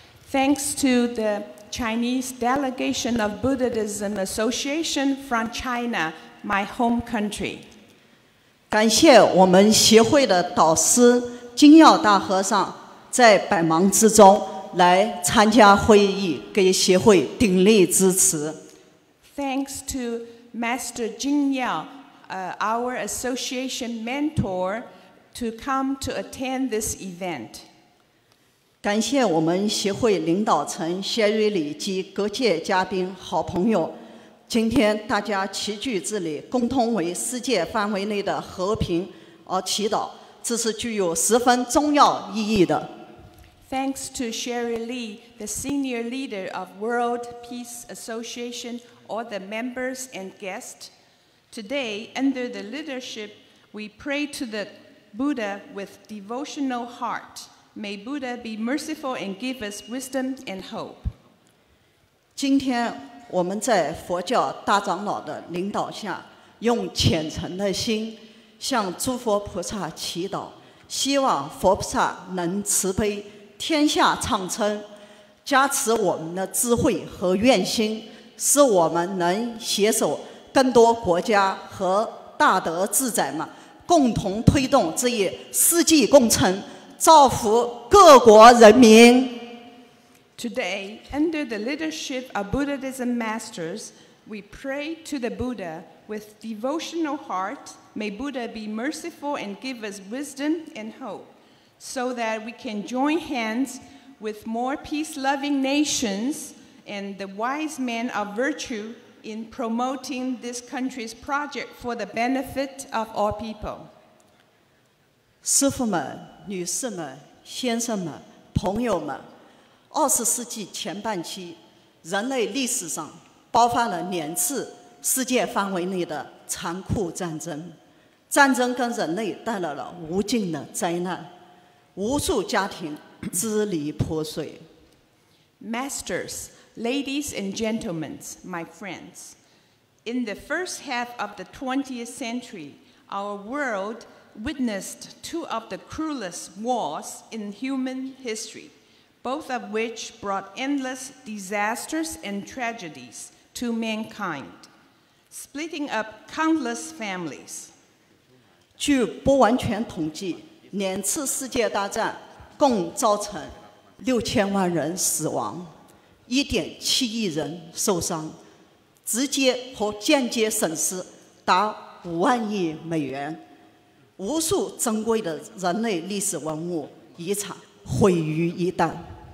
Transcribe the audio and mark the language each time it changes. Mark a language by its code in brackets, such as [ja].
[en] Thanks to the Chinese delegation of Buddhism Association from China, my home country. [zh] 感谢我们协会的导师金耀大和尚在百忙之中来参加会议，给协会鼎力支持。 [en] Thanks to Master Jing Yao, our association mentor, to come to attend this event. [zh] 感谢我们协会领导层谢瑞里及各界嘉宾、好朋友。今天大家齐聚这里，共同为世界范围内的和平而祈祷，这是具有十分重要意义的。 [en] Thanks to Sherry Lee, the senior leader of World Peace Association, all the members and guests. Today, under the leadership, we pray to the Buddha with devotional heart. May Buddha be merciful and give us wisdom and hope. [zh] 今天我们在佛教大长老的领导下，用虔诚的心向诸佛菩萨祈祷，希望佛菩萨能慈悲天下畅春，加持我们的智慧和愿心，使我们能携手更多国家和大德智载们，共同推动这一世纪工程，造福各国人民。 [en] Today, under the leadership of Buddhism masters, we pray to the Buddha with devotional heart. May Buddha be merciful and give us wisdom and hope, so that we can join hands with more peace-loving nations and the wise men of virtue in promoting this country's project for the benefit of all people. [zh] 师父们、女士们、先生们、朋友们，二十世纪前半期，人类历史上爆发了两次世界范围内的残酷战争，战争跟人类带来了无尽的灾难，无数家庭支离破碎。 [en] Masters, ladies and gentlemen, my friends, in the first half of the 20th century, our world witnessed two of the cruelest wars in human history. Both of which brought endless disasters and tragedies to mankind, splitting up countless families. [zh] 据不完全统计，两次世界大战共造成6000万人死亡，1.7亿人受伤，直接和间接损失达5万亿美元，无数珍贵的人类历史文物遗产毁于一旦。